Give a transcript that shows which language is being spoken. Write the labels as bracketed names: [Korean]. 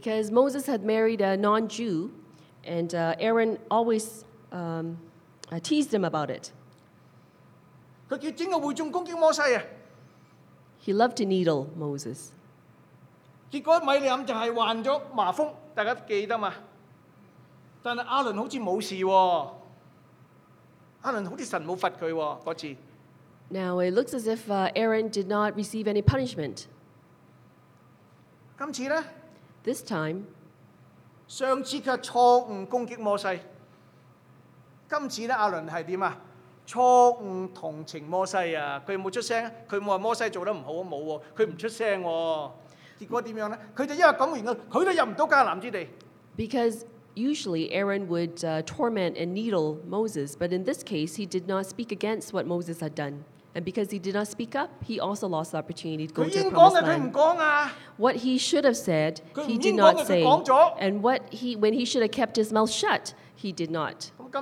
[English] Because Moses had married a non-Jew, and Aaron always teased him about it. [Cantonese] 佢叫整个会众攻击摩西啊。 [English] He loved to needle Moses. [Cantonese] 结果米利暗就系患咗麻风，大家记得嘛？但系亚伦好似冇事喎。 [English] Now it looks as if Aaron did not receive any punishment. [Cantonese] 今次呢? [English] This time, [Cantonese] 上次佢錯誤攻擊摩西。今次呢，亞倫係點啊？錯誤同情摩西啊！佢冇出聲，佢冇話摩西做得唔好啊，冇喎，佢唔出聲喎。結果點樣呢？佢就因為咁原因，佢都入唔到迦南之地。 [English] Because usually, Aaron would torment and needle Moses, but in this case, he did not speak against what Moses had done. And because he did not speak up, he also lost the opportunity to go to the promised land. What he should have said, he did not say. And what he, when he should have kept his mouth shut, he did not.